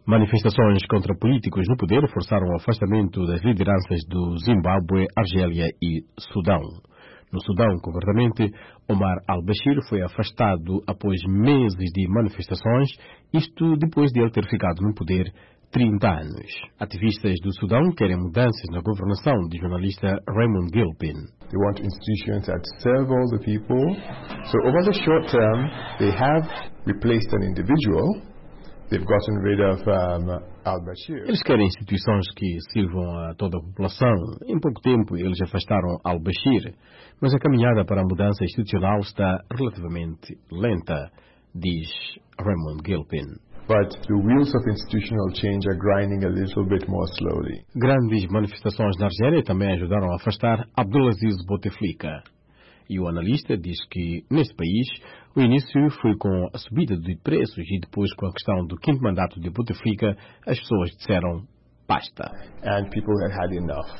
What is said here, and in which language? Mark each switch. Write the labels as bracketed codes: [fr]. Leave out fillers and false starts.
[pt] Manifestações contra políticos no poder forçaram o afastamento das lideranças do Zimbábue, Argélia e Sudão. No Sudão, concretamente, Omar al-Bashir foi afastado após meses de manifestações, isto depois de ele ter ficado no poder 30 anos. Ativistas do Sudão querem mudanças na governação, diz o jornalista Raymond Gilpin. [en] They want institutions that serve all the people. So over the short term, they have replaced an individual. They've gotten rid of al-Bashir. [pt] Eles querem instituições que sirvam a toda a população. Em pouco tempo, eles afastaram al-Bashir. Mas a caminhada para a mudança institucional está relativamente lenta, diz Raymond Gilpin. [en] But the wheels of institutional change are grinding a little bit more slowly. [pt] Grandes manifestações na Argélia também ajudaram a afastar Abdelaziz Bouteflika. E o analista diz que, neste país, o início foi com a subida de preços e depois com a questão do quinto mandato de Bouteflika, as pessoas disseram basta. [en] And people have had enough.